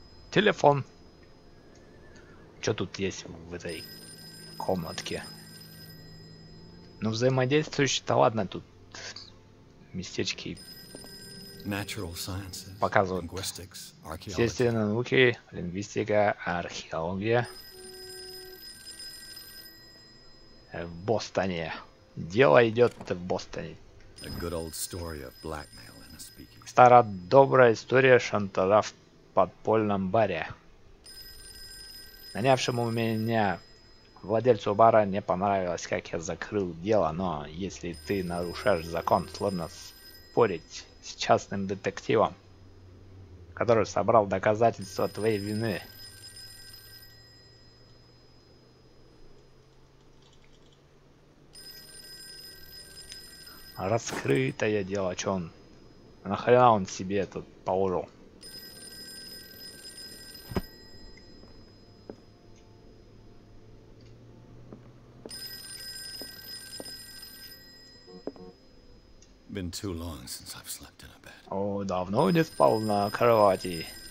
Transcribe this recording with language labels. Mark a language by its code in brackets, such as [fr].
[ru] Телефон. Что тут есть в этой комнатке? Ну, взаимодействующий, да ладно, тут местечки. [en] Natural sciences, [ru] показывают [en] linguistics, archaeology. [ru] Естественные науки, лингвистика, археология. В Бостоне. Дело идет в Бостоне. [en] A good old story of blackmail in a speaking. [ru] Старая добрая история шантажа в подпольном баре. Нанявшему меня владельцу бара не понравилось, как я закрыл дело, но если ты нарушаешь закон, сложно спорить с частным детективом, который собрал доказательства твоей вины. Раскрытое дело, чё он? Нахрена он себе тут положил? [en] Been too long since I've slept in a bed. [ru] Давно не спал на кровати.